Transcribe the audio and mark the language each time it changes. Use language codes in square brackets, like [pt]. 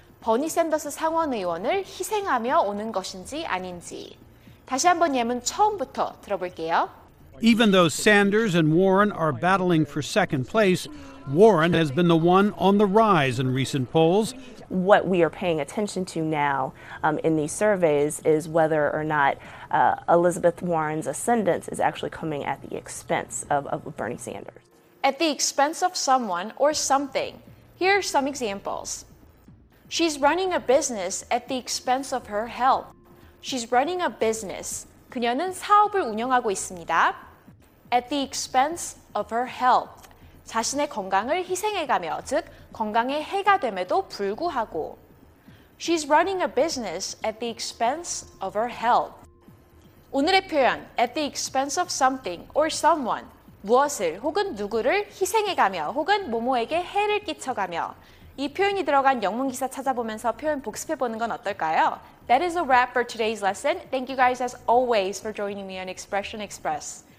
[ko] 버니 샌더스 상원 의원을 희생하며 오는 것인지 아닌지. 다시 한번 예문 처음부터 들어볼게요. [en] Even though Sanders and Warren are battling for second place, Warren has been the one on the rise in recent polls. What we are paying attention to now in these surveys is whether or not Elizabeth Warren's ascendance is actually coming at the expense of Bernie Sanders. At the expense of someone or something. Here are some examples. She's running a business at the expense of her health. She's running a business. [ko] 그녀는 사업을 운영하고 있습니다. [en] At the expense of her health. [ko] 자신의 건강을 희생해가며, 즉 건강에 해가 됨에도 불구하고. [en] She's running a business at the expense of her health. [ko] 오늘의 표현, [en] at the expense of something or someone. [ko] 무엇을 혹은 누구를 희생해가며 혹은 뭐뭐에게 해를 끼쳐가며. 이 표현이 들어간 영문 기사 찾아보면서 표현 복습해보는 건 어떨까요? [en] That is a wrap for today's lesson. Thank you guys as always for joining me on Expression Express.